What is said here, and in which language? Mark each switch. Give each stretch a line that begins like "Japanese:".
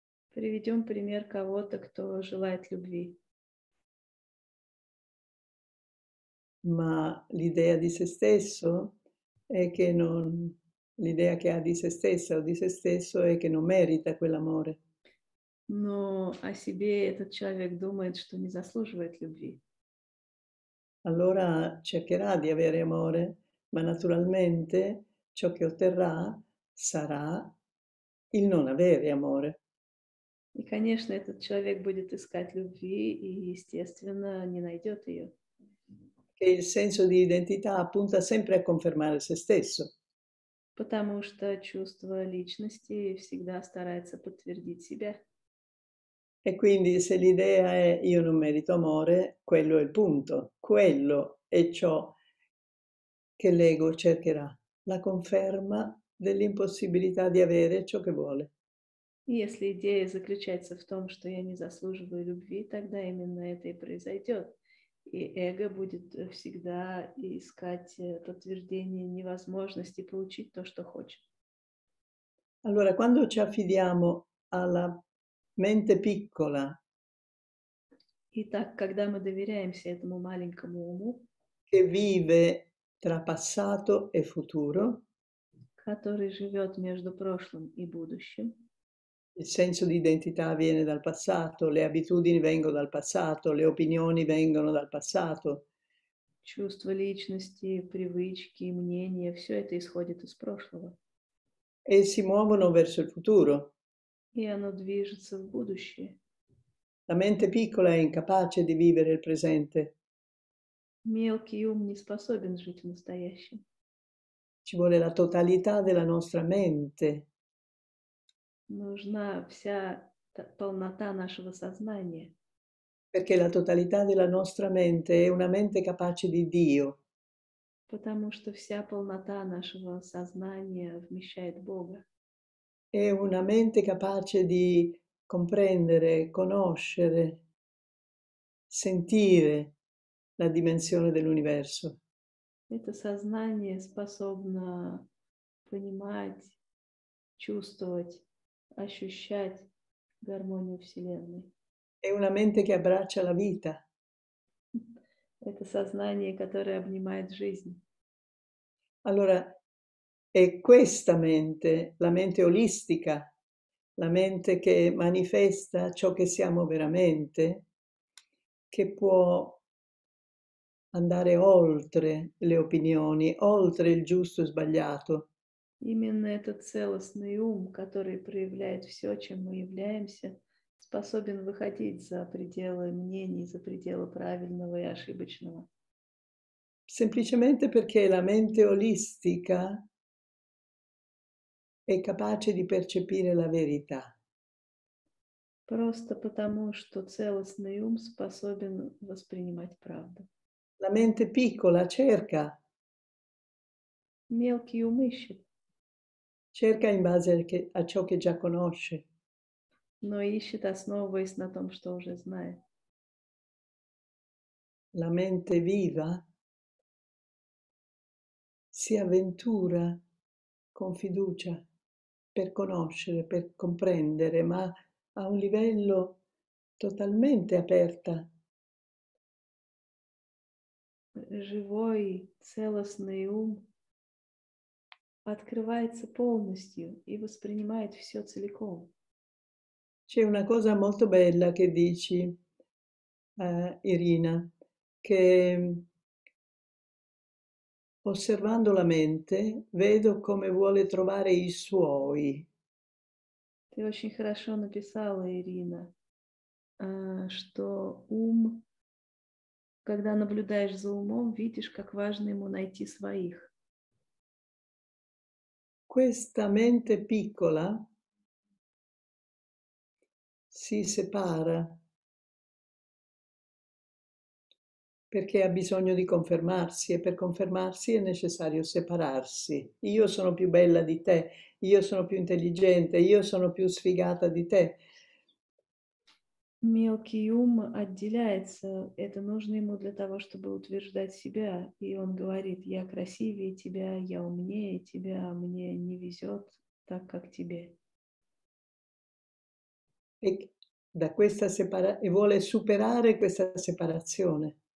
Russian: Приведем пример кого-то, кто желает любви.
Italian: Ma l'idea di se stesso è che non l'idea che ha di se stessa o di se stesso è che non merita quell'amore.
Russian: Но о себе этот человек думает, что не заслуживает любви.
Italian: Allora cercherà di avere amore, ma naturalmente ciò che otterrà sarà il non avere amore.
Russian: И, конечно, этот человек будет искать любви и, естественно, не найдет ее.
Italian: Che il senso di identità punta sempre a confermare se stesso.
Russian: Потому что чувство личности всегда старается подтвердить себя.
Italian: E quindi se l'idea è io non merito amore, quello è il punto. Quello è ciò che l'ego cercherà. La conferma dell'impossibilità di avere ciò che vuole.
Russian: Если идея заключается в том, что я не заслуживаю любви, тогда именно это и произойдет. И эго будет всегда искать подтверждение невозможности получить то, что хочет.
Italian: Allora, quando ci affidiamo alla mente piccola.
Russian: Итак, когда мы доверяемся этому маленькому уму,
Italian: che vive tra passato e futuro,
Russian: который живет между прошлым и будущим,
Italian: il senso di identità viene dal passato, le abitudini vengono dal passato, le opinioni vengono dal passato.
Russian: чувства личности, привычки, мнения, все это исходит из прошлого.
Italian: E si muovono verso il futuro.
Russian: И оно движется в будущее.
Italian: La mente piccola è incapace di vivere il presente.
Russian: Мелкий ум не способен жить в настоящем.
Italian: Ci vuole la totalità della nostra mente.
Russian: Нужна вся полнота нашего сознания.
Italian: Perché la totalità della nostra mente è una mente capace di Dio.
Russian: Потому что вся полнота нашего сознания вмещает Бога.
Italian: È una mente capace di comprendere, conoscere, sentire la dimensione dell'universo.
Russian: Это сознание способно понимать, чувствовать, ощущать гармонию Вселенной.
Italian: È una mente che abbraccia la vita.
Russian: Это сознание, которое обнимает жизнь.
Italian: Allora, è questa mente, la mente olistica, la mente che manifesta ciò che siamo veramente, che può andare oltre le opinioni, oltre il giusto e sbagliato.
Russian: Именно этот целостный ум, который проявляет все, чем мы являемся, способен выходить за пределы мнений, за пределы правильного и ошибочного.
Italian: Semplicemente perché la mente olistica è capace di percepire la verità.
Russian: Просто потому, что целостный ум способен воспринимать правду.
Italian: La mente piccola cerca.
Russian: Мелкий ум ищет.
Italian: Cerca in base a ciò che già conosce.
Russian: Но ищет, основываясь на том, что уже знает.
Italian: La mente viva si avventura con fiducia per conoscere, per comprendere, ma a un livello totalmente aperta.
Russian: Живой, целостный ум открывается полностью и воспринимает все целиком.
Italian: C'è una cosa molto bella che dici, Irina, che osservando la mente vedo come vuole trovare i suoi.
Russian: Ты очень хорошо написала, Ирина, что ум, когда наблюдаешь за умом, видишь, как важно ему найти своих.
Italian: Questa mente piccola si separa perché ha bisogno di confermarsi e per confermarsi è necessario separarsi. Io sono più bella di te, io sono più intelligente, io sono più sfigata di te.
Russian: Мелкий ум отделяется, это нужно ему для того, чтобы утверждать себя, и он говорит: я красивее тебя, я умнее тебя, мне не везет так, как тебе.
Italian: Da questa separa e vuole superare questa separazione.